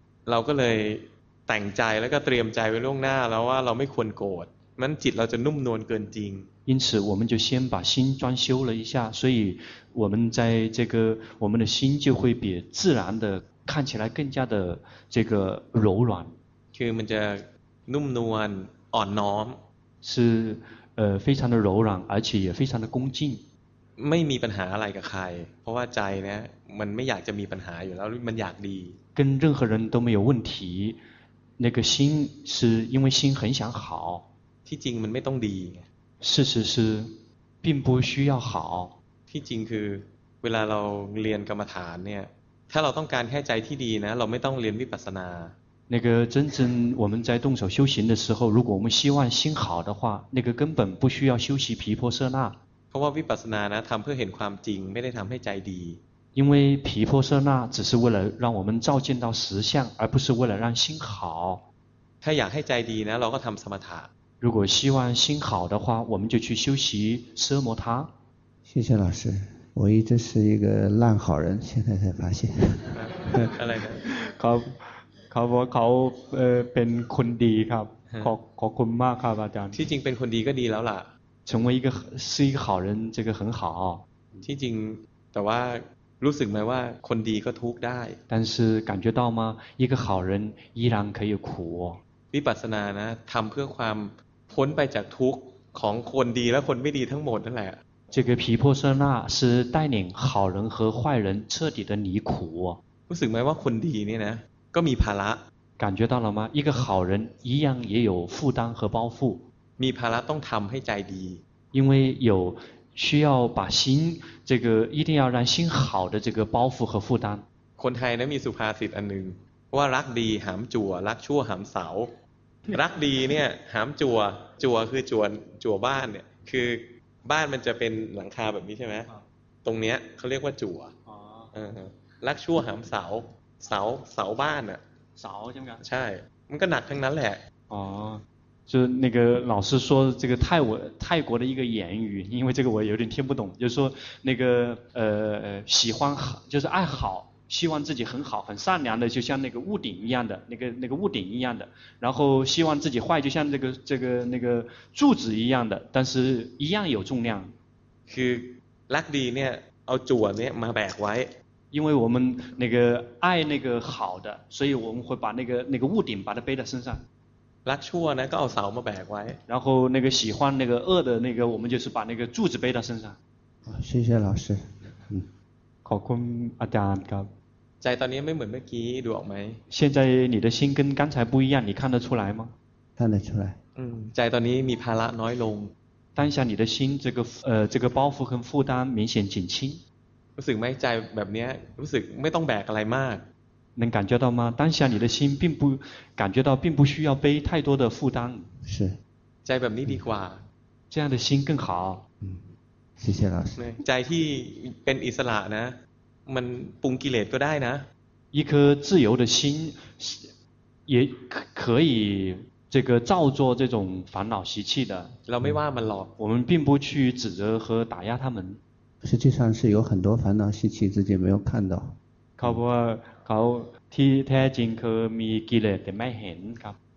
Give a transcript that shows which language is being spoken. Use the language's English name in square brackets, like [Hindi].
[Thai] เราก็เลยแต่งใจแล้วก็เตรียมใจไว้ล่วงหน้าแล้วว่าเราไม่ควรโกรธมันจิตเราจะนุ่มนวลเกินจริง [Chinese] 因此我们就先把心装修了一下所以我们在这个我们的心就会比自然的看起来更加的这个柔软 [Thai] คือมันจะนุ่มนวลอ่อนน้อม [Chinese] 是非常的柔软，而且也非常的恭敬。 [Thai] ไม่มีปัญหาอะไรกับใครเพราะว่าใจนะมันไม่อยากจะมีปัญหาอยู่แล้วมันอยากดี [Chinese] 跟任何人都没有问题，那个心是因为心很想好。 [Thai] ที่จริงมันไม่ต้องดี [Chinese] 事实是并不需要好。 [Thai] ที่จริงคือเวลาเราเรียนกรรมฐานเนี่ยถ้าเราต้องการแค่ใจที่ดีนะเราไม่ต้องเรียนวิปัสสนา [Chinese] 那个真正我们在动手修行的时候，如果我们希望心好的话，那个根本不需要修习毗婆舍那。 [Thai] เพราะว่าวิปัสสนานะทำเพื่อเห็นความจริงไม่ได้ทำให้ใจดี [Chinese] 因为毗婆舍那只是为了让我们照见到实相，而不是为了让心好。 [Thai] ถ้าอยากให้ใจดีนะเราก็ทำสมถะ。 [Chinese] 如果希望心好的话，我们就去修习奢摩他。谢谢老师，我一直是一个烂好人，现在才发现。 [Thai] อะไร ครับ เขาบอกเขาเป็นคนดีครับขอบคุณมากครับอาจารย์ ที่จริงเป็นคนดีก็ดีแล้วล่ะ [Chinese] 成为一个是一个好人这个很好 [Thai] ที่จริงแต่ว่ารู้สึกไหมว่าคนดีก็ทุกข์ได้ [Chinese] 但是感觉到吗一个好人依然可以苦 [Thai] วิปัสสนานะทำเพื่อความพ้นไปจากทุกข์ของคนดีและคนไม่ดีทั้งหมดนั่นแหละ [Chinese] 这个毗婆舍那是带领好人和坏人彻底的离苦 [Thai] รู้สึกไหมว่าคนดีเนี่ยนะก็มีภาระ [Chinese] 感觉到了吗一个好人一样也有负担和包袱 [Thai] มีภาระต้องทำให้ใจดี [Chinese] 因为有需要把心这个一定要让心好的这个包袱和负担 [Thai] คนไทยนะมีสุภาษิตอันนึงว่ารักดีหามจั่วรักชั่วหามเสารักดีเนี่ยหามจั่วจั่วคือจั่วบ้านเนี่ยคือบ้านมันจะเป็นหลังคาแบบนี้ใช่ไหมตรงเนี้ยเขาเรียกว่าจั่วรักชั่วหามเสาเสาบ้านอะ เสาใช่ ไหม ครับใช่มันก็หนักทั้งนั้นแหละ [Chinese] อ๋อ就那个老师说这个泰国的一个言语因为这个我有点听不懂就是说那个喜欢就是爱好希望自己很好很善良的就像那个屋顶一样的那个屋顶一样的然后希望自己坏就像这个那个柱子一样的但是一样有重量 [Thai] คือรักดีเนี่ยเอาจั่วเนี่ยมาแบกไว้ [Chinese] 因为我们那个爱那个好的，所以我们会把那个屋顶把它背在身上。 [Thai] รักชั่วนะก็เอาเสามาแบกไว้。 [Chinese] 然后那个喜欢那个恶的那个，我们就是把那个柱子背在身上。谢谢老师， [Thai] ขอบคุณอาจารย์ครับ。 ใจตอนนี้ไม่เหมือนเมื่อกี้ดูออกไหม？ [Chinese] 现在你的心跟刚才不一样，你看得出来吗？看得出来。 [Thai] 嗯，ใจตอนนี้มีภาระน้อยลง。 [Chinese] 当下你的心这个包袱和负担明显减轻。 [Thai] รู้สึกไหมใจแบบนี้รู้สึกไม่ต้องแบกอะไรมาก [Chinese] 能感觉到吗当下你的心并不感觉到并不需要背太多的负担是 [Thai] ใจแบบนี้ดีกว่า [Chinese] 这样的心更好谢谢老师 [Thai] ใจที่เป็นอิสระนะมันปุงกิเลสก็ได้นะ [Chinese] 一颗自由的心也可以这个造作这种烦恼习气的 [Thai] เราไม่ว่ามันหรอก [Chinese] 我们并不去指责和打压他们实际上是有很多烦恼习气自己没有看到。 [Thai] เขาบอกว่าเขาที่แท้จริงคือมีกิเลสแต่ไม่เห็นครับ